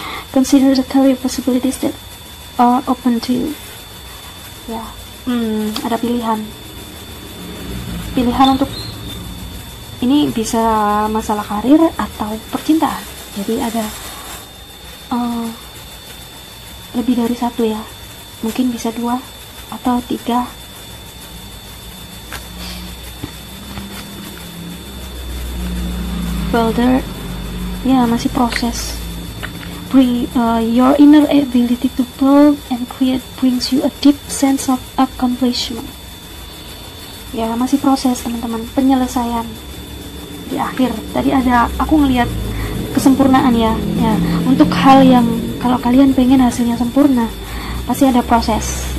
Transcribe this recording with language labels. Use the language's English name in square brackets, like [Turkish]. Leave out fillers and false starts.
[English] Consider the career possibilities that are open to you. [Indonesian] Ya, ada pilihan. Pilihan untuk ini bisa masalah karir atau percintaan. Jadi ada lebih dari satu ya. Mungkin bisa dua atau tiga. Builder, ya masih proses. [English] Your inner ability to build and create brings you a deep sense of accomplishment. [Indonesian] Ya masih proses teman-teman, penyelesaian di akhir. Tadi ada aku ngelihat kesempurnaan ya. Ya untuk hal yang kalau kalian pengen hasilnya sempurna, pasti ada proses.